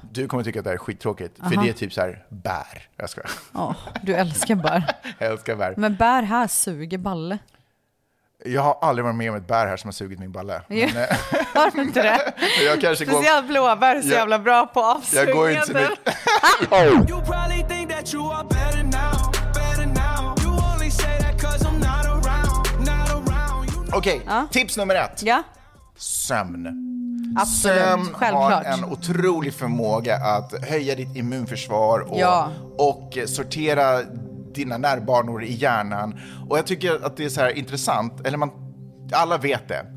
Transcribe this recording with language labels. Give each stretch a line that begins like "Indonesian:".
Swedish: Du kommer tycka att det är skittråkigt för det är typ så här bär. Jag ska. Du älskar bär. Jag älskar bär. Men bär här suger balle. Jag har aldrig varit med om ett bär här som har sugit min balle. Ja, men, har du inte det? Jag kanske går... Speciellt blåbär så jävla bra på avsugningen. Jag går inte med...
English: You probably think that you are better now. You only say that 'cause I'm not around. Not around.
Swedish: Okej, tips nummer ett. Ja. Sömn. Absolut, sömn självklart. Sömn har en otrolig förmåga att höja ditt immunförsvar och, och sortera... dina nervbanor i hjärnan. Och jag tycker att det är så här intressant, eller man, alla vet det.